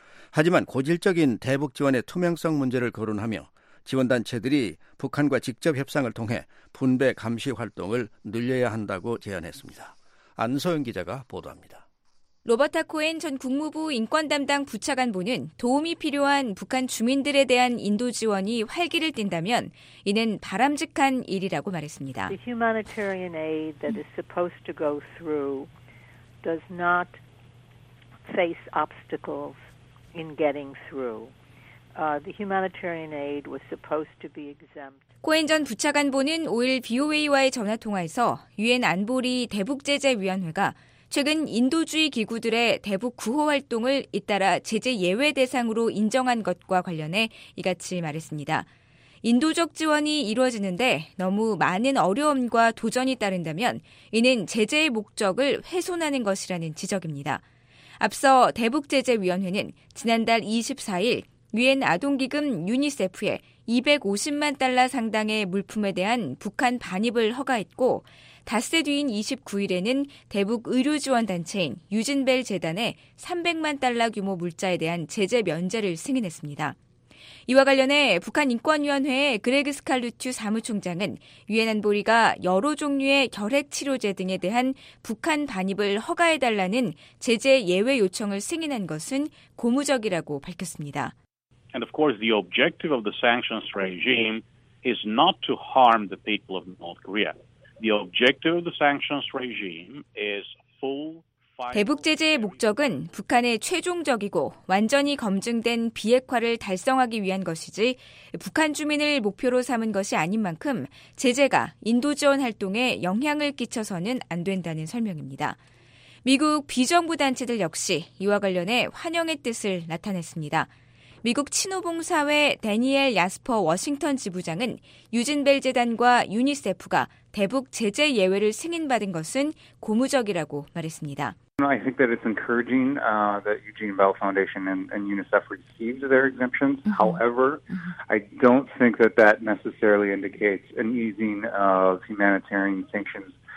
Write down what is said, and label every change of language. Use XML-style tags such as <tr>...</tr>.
<ko>하지만 고질적인 대북 지원의 투명성 문제를 거론하며 지원단체들이 북한과 직접 협상을 통해 분배 감시 활동을 늘려야 한다고 제안했습니다. 안소영 기자가 보도합니다. 로버타 코엔 전 국무부 인권담당 부차관보는 도움이 필요한 북한 주민들에 대한 인도 지원이 활기를 띈다면 이는 바람직한 일이라고 말했습니다.</ko> <en>The humanitarian aid that is supposed to go through does not face obstacles in getting through. The humanitarian aid was supposed to be exempt.</en> <ko>코엔 전 부차관보는 5일 BOA와의 전화통화에서 유엔 안보리 대북제재위원회가 최근 인도주의 기구들의 대북 구호 활동을 잇따라 제재 예외 대상으로 인정한 것과 관련해 이같이 말했습니다. 인도적 지원이 이루어지는데 너무 많은 어려움과 도전이 따른다면 이는 제재의 목적을 훼손하는 것이라는 지적입니다. 앞서 대북제재위원회는 지난달 24일 유엔 아동기금 유니세프에 250만 달러 상당의 물품에 대한 북한 반입을 허가했고 닷새 뒤인 29일에는 대북 의료지원단체인 유진벨 재단에 300만 달러 규모 물자에 대한 제재 면제를 승인했습니다. 이와 관련해 북한인권위원회의 그레그 스칼루튜 사무총장은 유엔 안보리가 여러 종류의 결핵치료제 등에 대한 북한 반입을 허가해달라는 제재 예외 요청을 승인한 것은 고무적이라고 밝혔습니다.</ko> <en>And of course, the objective of the sanctions regime is not to harm the people of North Korea. The objective of the sanctions regime is full.</en> <ko>대북 제재의 목적은 북한의 최종적이고 완전히 검증된 비핵화를 달성하기 위한 것이지 북한 주민을 목표로 삼은 것이 아닌 만큼 제재가 인도 지원 활동에 영향을 끼쳐서는 안 된다는 설명입니다. 미국 비정부 단체들 역시 이와 관련해 환영의 뜻을 나타냈습니다. 미국 친노봉사회 대니엘 야스퍼 워싱턴 지부장은 유진벨 재단과 유니세프가 대북 제재 예외를 승인받은 것은 고무적이라고 말했습니다.</ko> <en>I think that it's encouraging that Eugene Bell Foundation and UNICEF received their exemptions. However, I don't think that that necessarily indicates an easing of humanitarian sanctions.</en>